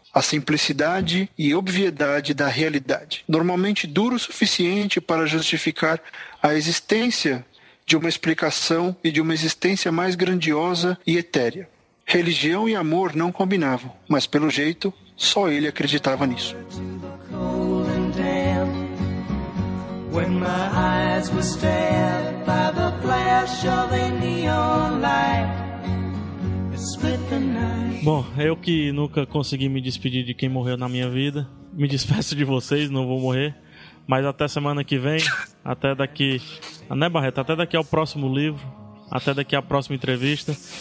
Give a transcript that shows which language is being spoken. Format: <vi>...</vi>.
<pt>A simplicidade e obviedade da realidade, normalmente duro o suficiente para justificar a existência de uma explicação e de uma existência mais grandiosa e etérea. Religião e amor não combinavam, mas pelo jeito, só ele acreditava nisso.</pt> <en>When my eyes were stared by the flash of a neon light.</en> <pt>Bom, eu que nunca consegui me despedir de quem morreu na minha vida, me despeço de vocês, não vou morrer. Mas até semana que vem, até daqui, né, Barreto? Até daqui ao próximo livro, até daqui à próxima entrevista.</pt>